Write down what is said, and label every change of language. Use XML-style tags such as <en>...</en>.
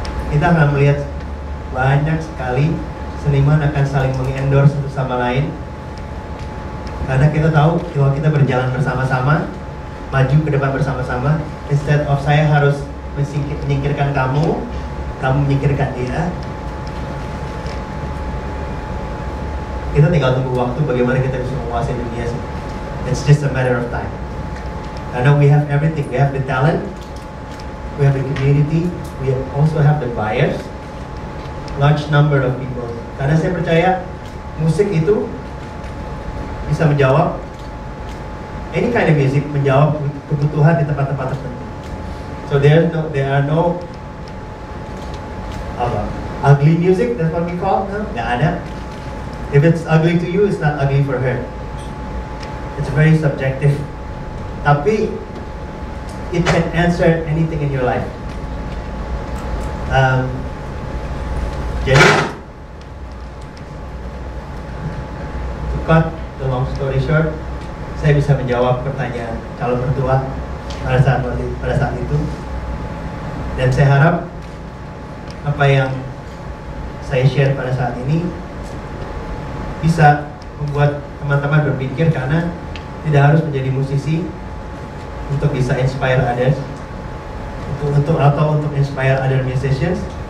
<id>Kita akan melihat banyak sekali seniman akan saling mengendorse satu sama lain karena kita tahu kalau kita berjalan bersama-sama, maju ke depan bersama-sama,</id> <en>instead of</en> <id>saya harus menyingkirkan kamu, kamu menyingkirkan dia, kita tinggal tunggu waktu bagaimana kita bisa menguasai dunia.</id> <en>It's just a matter of time.</en> <id>Karena</id> <en>we have everything, we have the talent, we have the community, we also have the buyers, large number of people.</en> <id>Karena saya percaya musik itu bisa menjawab,</id> <en>any kind of music</en> <id>menjawab kebutuhan di tempat-tempat tertentu.</id> <en>So there are no ugly music, that's what we call, no?</en> <id>Gak ada.</id> <en>If it's ugly to you, it's not ugly for her. It's very subjective.</en> <id>Tapi</id> <en>it can answer anything in your life.</en> <id>Jadi</id> <en>to cut the long story short,</en> <id>saya bisa menjawab pertanyaan calon mertua pada saat itu. Dan saya harap apa yang saya share pada saat ini bisa membuat teman-teman berpikir, karena tidak harus menjadi musisi untuk bisa</id> <en>inspire others,</en> <id>untuk</id> <en>inspire other musicians.</en>